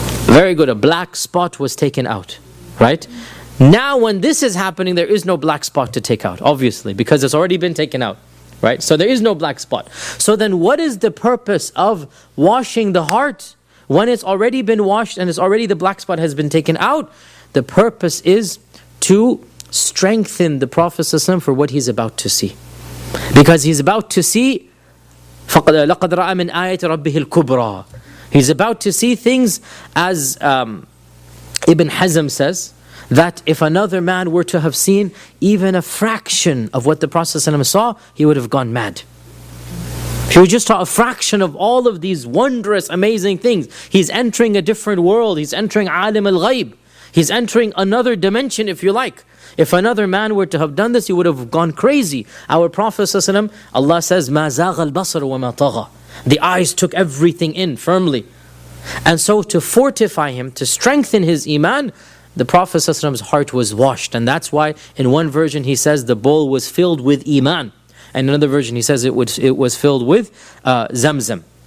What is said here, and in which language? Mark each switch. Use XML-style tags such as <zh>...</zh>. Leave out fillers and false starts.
<en>Very good. A black spot was taken out, right? Now when this is happening, there is no black spot to take out, obviously, because it's already been taken out, right? So there is no black spot. So then what is the purpose of washing the heart? When it's already been washed and it's already the black spot has been taken out, the purpose is to strengthen the Prophet ﷺ for what he's about to see. Because he's about to see,</en> <ar>لَقَدْ رَأَى مِنْ آيَةِ رَبِّهِ الْكُبْرَى.</ar> <en>He's about to see things, as Ibn Hazm says, that if another man were to have seen even a fraction of what the Prophet ﷺ saw, he would have gone mad. He just saw a fraction of all of these wondrous, amazing things. He's entering a different world. He's entering Alim al-Ghayb. He's entering another dimension, if you like. If another man were to have done this, he would have gone crazy. Our Prophet ﷺ, Allah says,</en> <ar>مَا زَاغَ الْبَصَرُ وَمَا طَغَى.</ar> <en>The eyes took everything in firmly. And so to fortify him, to strengthen his iman, the Prophet ﷺ's heart was washed. And that's why in one version he says the bowl was filled with iman. And another version, he says it was filled with Zamzam.</en>